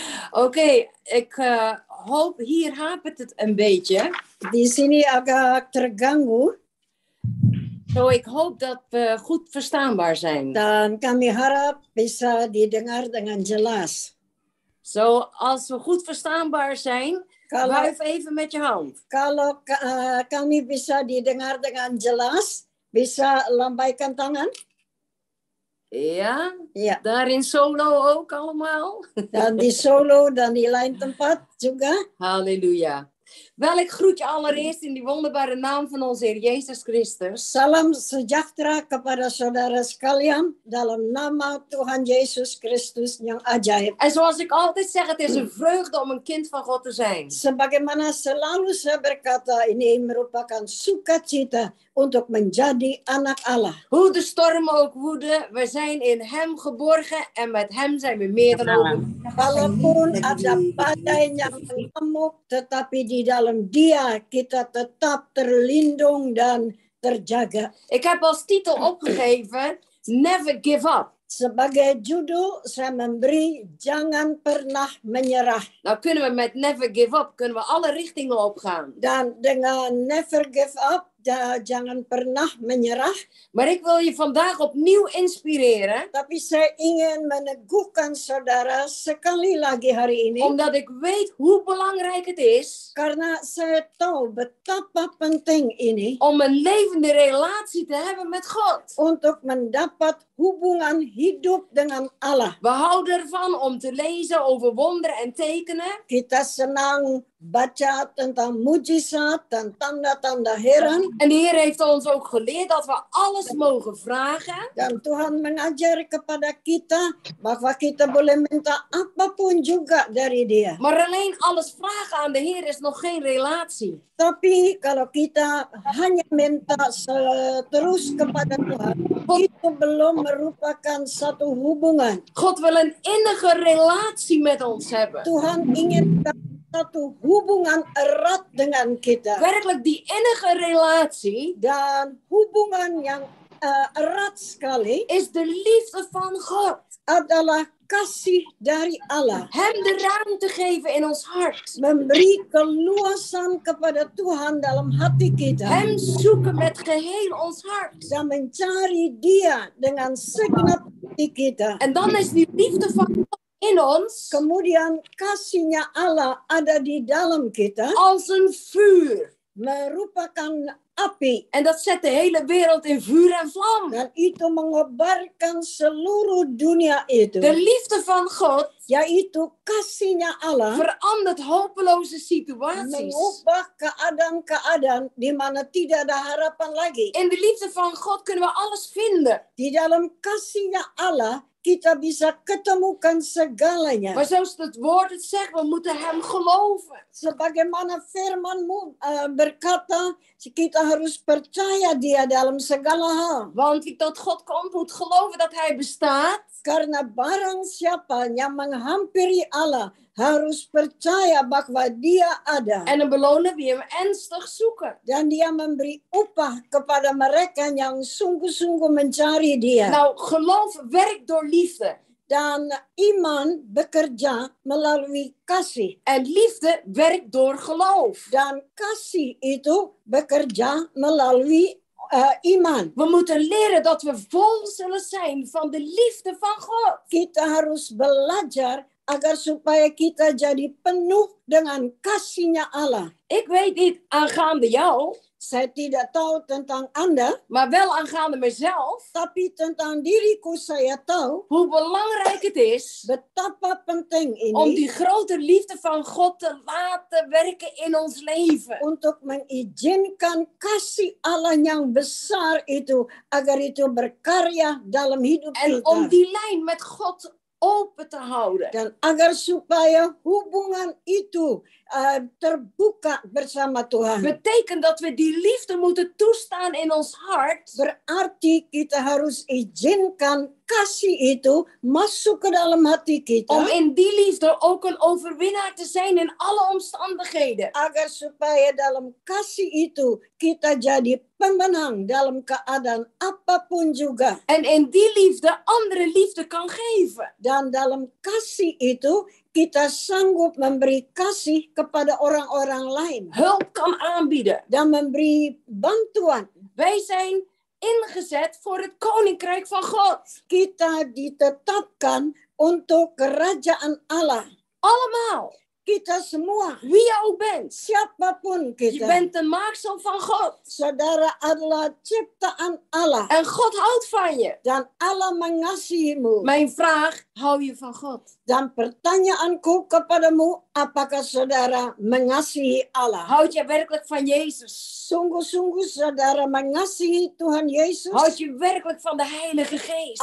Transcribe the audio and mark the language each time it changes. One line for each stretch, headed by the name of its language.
Dutch: Oke, ik hoop hier hapert het een beetje.
Indonesian: Di sini agak terganggu.
Dutch: So ik hoop dat we goed verstaanbaar zijn.
Indonesian: Dan kami harap bisa didengar dengan jelas.
Dutch: So als we goed verstaanbaar zijn, wuif even met je hand.
Indonesian: Kalau kami bisa didengar dengan jelas, bisa lambaikan tangan.
Dutch: Ja, ja. Daar in solo ook allemaal.
Indonesian: Dan die solo, dan die lijn tempat juga.
Dutch: Halleluja. Wel, ik groet je allereerst in die wonderbare naam van onze Heer Jezus Christus.
Indonesian: Salam sejahtera kepada saudara sekalian dalam nama Tuhan Yesus Kristus yang ajaib.
Dutch: En zoals ik altijd zeg, het is een vreugde om een kind van God te zijn.
Indonesian: Sebagaimana selalu saya berkata, ini merupakan sukacita untuk menjadi anak Allah.
Dutch: Hoe de storm ook woede, we zijn in Hem geborgen en met Hem zijn we meer dan overwinnaars.
Indonesian: Walaupun ada badai yang mengamuk, tetapi di dalam Dia kita tetap terlindung dan terjaga.
Dutch: Ik heb als titel opgegeven Never Give Up.
Indonesian: Sebagai judul saya memberi Jangan Pernah Menyerah.
Dutch: Nou kunnen we met Never Give Up kunnen we alle richtingen opgaan.
Indonesian: Dan dengan Never Give Up jangan pernah menyerah.
Dutch: Maar ik wil je vandaag opnieuw inspireren.
Indonesian: Tapi saya ingin meneguhkan saudara sekali lagi hari ini.
Dutch: Omdat ik weet hoe belangrijk het is.
Indonesian: Karena saya tahu betapa penting ini.
Dutch: Om een levende relatie te hebben met God.
Indonesian: Untuk mendapat hubungan hidup dengan Allah.
Dutch: We houden ervan om te lezen over wonderen en tekenen.
Indonesian: Kita senang baca tentang mujizat dan tanda-tanda heran.
Dutch: En de Heer heeft ons ook geleerd dat we alles mogen vragen.
Indonesian: Dan Tuhan mengajar kepada kita bahwa kita boleh minta apapun juga dari Dia.
Dutch: Maar alleen alles vragen aan de Heer is nog geen relatie.
Indonesian: Tapi kalau kita hanya minta terus kepada Tuhan, itu belum merupakan satu hubungan.
Dutch: God wil een innige relatie met ons hebben.
Indonesian: Tuhan ingin satu hubungan erat dengan kita.
Dutch: Werkelijk die innige relatie
Indonesian: dan hubungan yang erat sekali
Dutch: is de liefde van God.
Indonesian: Adalah kasih dari Allah.
Dutch: Hem de ruimte geven in ons hart.
Indonesian: Memberi keluasan kepada Tuhan dalam hati kita.
Dutch: Hem zoeken met geheel ons hart.
Indonesian: Dan mencari Dia dengan segenap hati kita.
Dutch: En dan is die liefde van God in ons.
Indonesian: Kemudian kasihnya Allah ada di dalam kita.
Dutch: Als een vuur.
Indonesian: Merupakan api.
Dutch: En dat zet de hele wereld in vuur en vlam.
Indonesian: Dan itu mengobarkan seluruh dunia itu.
Dutch: De liefde van God.
Indonesian: Yaitu kasihnya Allah.
Dutch: Verandert hopeloze situaties.
Indonesian: Mengubah keadaan-keadaan di mana tidak ada harapan lagi.
Dutch: In de liefde van God kunnen we alles vinden.
Indonesian: Di dalam kasihnya Allah. Kita bisa ketemukan segalanya.
Dutch: Maar zoals het woord het zegt, we moeten hem geloven.
Indonesian: Sebagaimana firman-Mu berkata, kita harus percaya Dia dalam segala hal.
Dutch: Want wie tot God komt, moet geloven dat Hij bestaat.
Indonesian: Karena barang siapa yang menghampiri Allah, harus percaya bahwa Dia ada.
Dutch: En dan belonen wie hem ernstig zoeken.
Indonesian: Dan Dia memberi upah kepada mereka yang sungguh-sungguh mencari Dia.
Dutch: Nou, geloof werkt door liefde.
Indonesian: Dan iman bekerja melalui kasih.
Dutch: En liefde werkt door geloof.
Indonesian: Dan kasih itu bekerja melalui iman.
Dutch: We moeten leren dat we vol zullen zijn van de liefde van God.
Indonesian: Kita harus belajar agar supaya kita jadi penuh dengan kasihnya Allah.
Dutch: Ik weet niet aangaande jou.
Indonesian: Saya tidak tahu tentang Anda,
Dutch: maar wel aangaande mezelf,
Indonesian: tapi tentang diriku saya tahu
Dutch: hoe belangrijk het is,
Indonesian: betapa penting ini,
Dutch: om die grote liefde van God te laten werken in ons leven.
Indonesian: Untuk mengizinkan kasih Allah yang besar itu, agar itu berkarya dalam hidup en kita.
Dutch: En om die lijn met God open te houden.
Indonesian: Dan agar supaya hubungan itu terbuka bersama Tuhan.
Dutch: Betekent dat we die liefde moeten toestaan in ons hart.
Indonesian: Berarti kita harus izinkan kasih itu masuk ke dalam hati kita.
Dutch: Om in die liefde ook een overwinnaar te zijn in alle omstandigheden.
Indonesian: Agar supaya dalam kasih itu kita jadi pemenang dalam keadaan apapun juga.
Dutch: En in die liefde andere liefde kan geven.
Indonesian: Dan dalam kasih itu kita sanggup memberi kasih kepada orang-orang lain.
Dutch: Hulp kan aanbieden.
Indonesian: Dan memberi bantuan.
Dutch: Wij zijn ingezet voor het koninkrijk van God.
Indonesian: Kita ditetapkan untuk kerajaan Allah.
Dutch: Allemaal.
Indonesian: Kita semua.
Dutch: Wie je ook bent.
Indonesian: Siapapun kita.
Dutch: Je bent de maaksel van God.
Indonesian: Saudara adalah ciptaan Allah.
Dutch: En God houdt van je.
Indonesian: Dan Allah mengasihimu.
Dutch: Mijn vraag, hou je van God?
Indonesian: Dan pertanyaanku kepadamu, apakah saudara mengasihi Allah?
Dutch: Houd je werkelijk van Jezus?
Indonesian: Sungguh-sungguh saudara mengasihi Tuhan Yesus?
Dutch: Houd je werkelijk van de Heilige Geest?